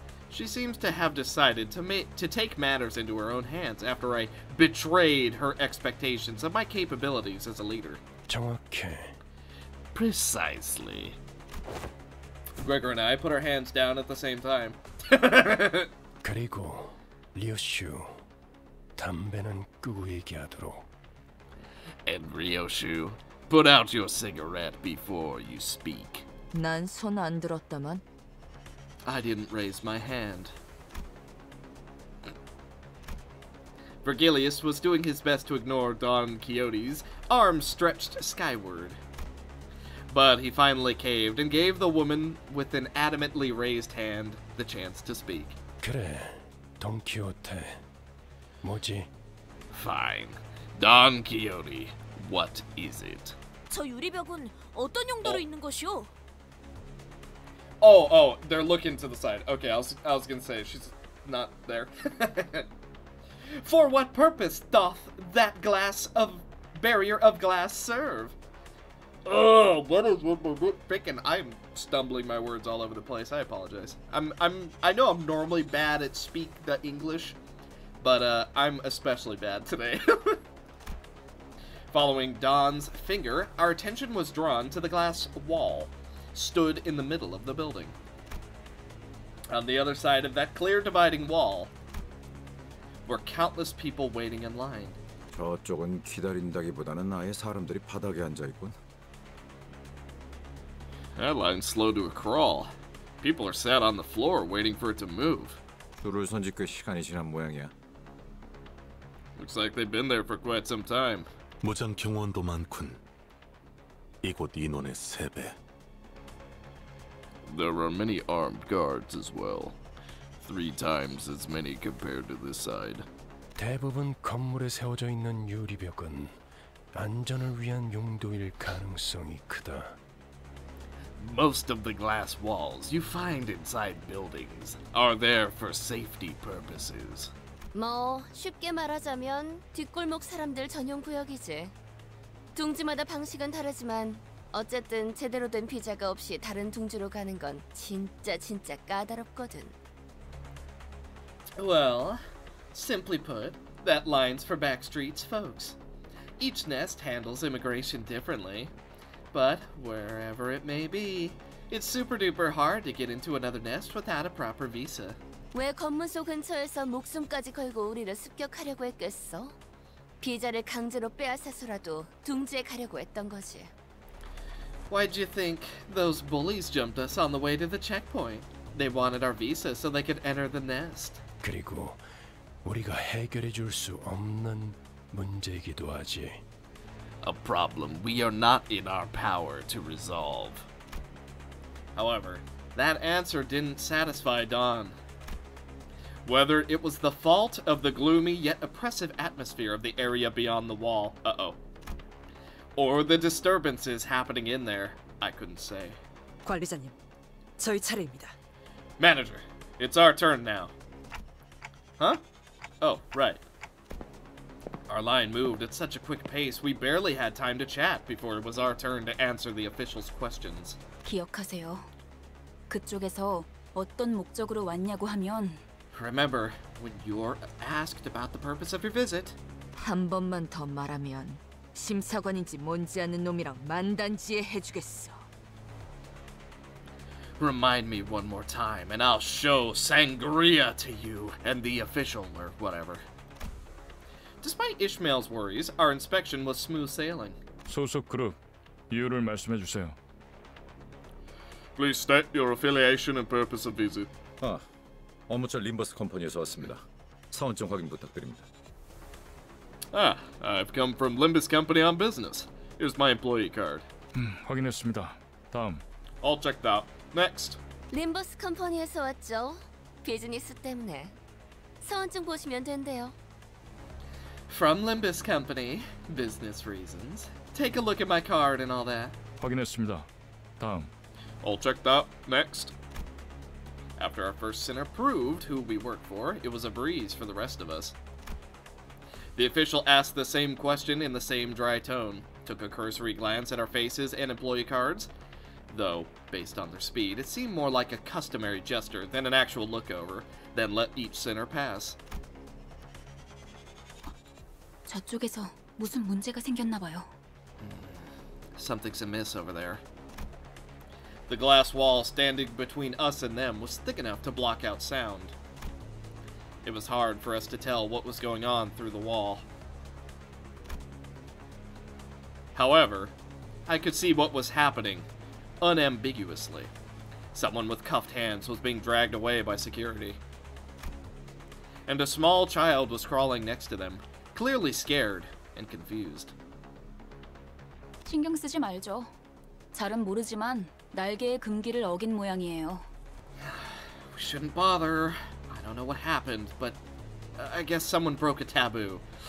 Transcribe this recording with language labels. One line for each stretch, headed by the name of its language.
English: She seems to have decided to take matters into her own hands after I betrayed her expectations of my capabilities as a leader. Okay. Precisely. Gregor and I put our hands down at the same time.
Korean: 그리고 리오슈, 담배는 끄고 얘기하도록.
English: And Ryoshu, put out your cigarette before you speak.
Korean: 난 손 안 들었다만.
English: I didn't raise my hand. Virgilius was doing his best to ignore Don Quixote's arm stretched skyward. But he finally caved and gave the woman with an adamantly raised hand the chance to speak.
Korean: 그래, 돈 키호테. 뭐지?
English: Fine. Don Quixote, what is it?
Korean: 저 유리벽은 어떤 용도로 있는 것이오?
English: Oh, they're looking to the side. Okay, I was gonna say, she's not there. For what purpose doth that glass of barrier of glass serve? Oh, what is what? Freaking, I'm stumbling my words all over the place. I apologize. I know I'm normally bad at speak the English, but I'm especially bad today. Following Don's finger, our attention was drawn to the glass wall, stood in the middle of the building. On the other side of that clear dividing wall were countless people waiting in line.
Korean: 저쪽은 기다린다기보다는 아예 사람들이 바닥에 앉아 있군.
English: That line slowed to a crawl. People are sat on the floor waiting for it to move.
Korean: 줄을 선 지 꽤 시간이 지난 모양이야.
English: Looks like they've been there for quite some time.
Korean: 무장 경호원도 많군. 이곳 인원의 3배.
English: There are many armed guards as well. 3 times as many compared to this side.
Korean: 대부분 건물에 세워져 있는 유리벽은 안전을 위한 용도일 가능성이 크다.
English: Most of the glass walls you find inside buildings are there for safety purposes.
Korean: 뭐 쉽게 말하자면 뒷골목 사람들 전용 구역이지. 둥지마다 방식은 다르지만 어쨌든 제대로 된 비자가 없이 다른 둥지로 가는 건 진짜 진짜 까다롭거든.
English: Well, simply put, that line's for Backstreet's folks. Each nest handles immigration differently. But wherever it may be, it's super duper hard to get into another nest without a proper visa.
Korean: 왜 건물소 근처에서 목숨까지 걸고 우리를 습격하려고 했겠어? 비자를 강제로 빼앗아서라도 둥지에 가려고 했던 거지.
English: Why'd you think those bullies jumped us on the way to the checkpoint? They wanted our visa so they could enter the nest.
Korean: 그리고 우리가 해결해 줄 수 없는 문제이기도 하지.
English: A problem we are not in our power to resolve. However, that answer didn't satisfy Don. Whether it was the fault of the gloomy yet oppressive atmosphere of the area beyond the wall, or the disturbances happening in there, I couldn't say.
Korean: 관리자님, 저희 차례입니다.
English: Manager, it's our turn now. Huh? Oh, right. Our line moved at such a quick pace, we barely had time to chat before it was our turn to answer the official's questions.
Korean: 기억하세요. 그쪽에서 어떤 목적으로 왔냐고 하면...
English: Remember, when you're asked about the purpose of your visit...
Korean: 한 번만 더 말하면 심사관인지 뭔지 아는 놈이랑 만단지에 해주겠어.
English: Remind me one more time, and I'll show sangria to you and the official, or whatever. Despite Ishmael's worries, our inspection was smooth sailing.
Korean: 소속 그룹, 이유를 말씀해 주세요.
English: Please state your affiliation and purpose of visit.
Korean: 아, 업무처 림버스 컴퍼니에서 왔습니다. 사원증 확인 부탁드립니다.
English: Ah, I've come from Limbus Company on business. Here's my employee card.
Korean: 확인했습니다. 다음.
English: All checked out. Next.
Korean: Limbus Company에서 왔죠. 비즈니스 때문에. 사원증 보시면 된대요.
English: From Limbus Company, business reasons. Take a look at my card and all that.
Korean: 확인했습니다. 다음.
English: All checked out. Next. After our first sinner proved who we work for, it was a breeze for the rest of us. The official asked the same question in the same dry tone, took a cursory glance at our faces and employee cards. Though, based on their speed, it seemed more like a customary gesture than an actual look-over, then let each sinner pass.
Korean: 저쪽에서 무슨 문제가 생겼나 봐요.
English: Something's amiss over there. The glass wall standing between us and them was thick enough to block out sound. It was hard for us to tell what was going on through the wall. However, I could see what was happening unambiguously. Someone with cuffed hands was being dragged away by security. And a small child was crawling next to them, clearly scared and confused.
Korean: 신경 쓰지 말죠. 잘은 모르지만 날개의 금기를 어긴 모양이에요.
English: We shouldn't bother. I don't know what happened, but I guess someone broke a taboo.